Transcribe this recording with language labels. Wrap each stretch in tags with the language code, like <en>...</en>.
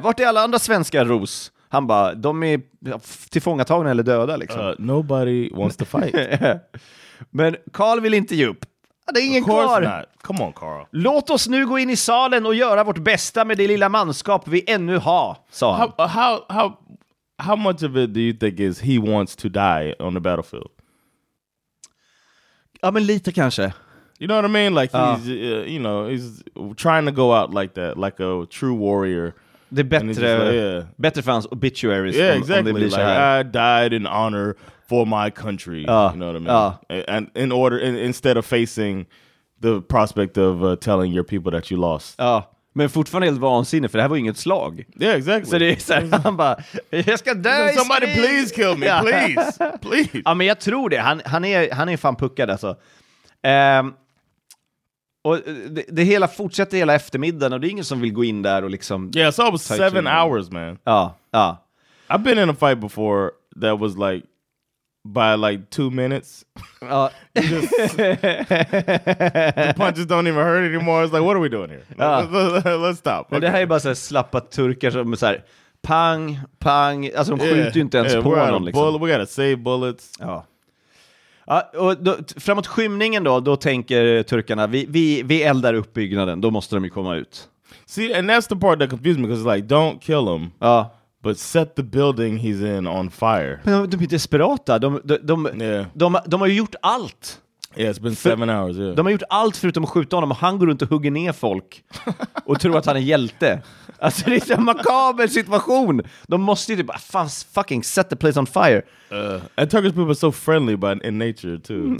<sv>Vart är alla andra svenska, Roos? Han bara, de är tillfångatagna eller döda liksom.</sv> <en>Nobody wants to fight.</en> <sv>Men Carl vill inte ge upp. Det är ingen kvar.</sv> <en>Come on, Carl.</en> <sv>Låt oss nu gå in i salen och göra vårt bästa med det lilla manskap vi ännu har, sa han.</sv> <en>How much of it do you think is he wants to die on the battlefield?</en> <sv>Ja, men lite kanske.</sv> <en>You know what I mean? Like he's, you know, he's trying to go out like that, like a true warrior.</en> <sv>Det är bättre, bättre för hans obituaries.</sv> <en>Yeah, exactly.</en> <sv>Om det blir så här.</sv> <en>Like, I died in honor for my country. You know what I mean? And in order, instead of facing the prospect of telling your people that you lost.</en> <sv>Men fortfarande helt vansinne, för det här var inget slag.</sv> <en>Yeah, exactly.</en> <sv>Så det är så här, han bara, jag ska dö.</sv> <en>Somebody please kill me, please.</en> <sv>Ja, men jag tror det. Han är fan puckad alltså. Och det hela fortsätter hela eftermiddagen och det är ingen som vill gå in där och liksom.</sv> <en>Yeah, so it was 7 hours, man.</en> <sv>Ja.</sv> <en>I've been in a fight before that was like by like 2 minutes. The punches don't even hurt anymore. It's like, what are we doing here? Let's stop.</en> <sv>Okay. Det här är bara så här slappa turkar som så här pang, pang. Alltså de skjuter ju inte ens på någon liksom.</sv> <en>We gotta save bullets.</en> <sv>Ja. Och då, framåt skymningen då tänker turkarna, vi eldar upp byggnaden, då måste de ju komma ut.</sv> <en>See, and that's the part that confused me, because it's like, don't kill him, but set the building he's in on fire.</en> <sv>Men de är desperata, de har ju gjort allt.</sv> <en>Yeah, it's been 7 hours, yeah.</en> <sv>De har gjort allt förutom att skjuta honom, och han går runt och hugger ner folk och tror att han är hjälte. Alltså det är en makaber situation. De måste ju typ</sv> <en>fucking set the place on fire. And Turkish people are so friendly but in nature too.</en>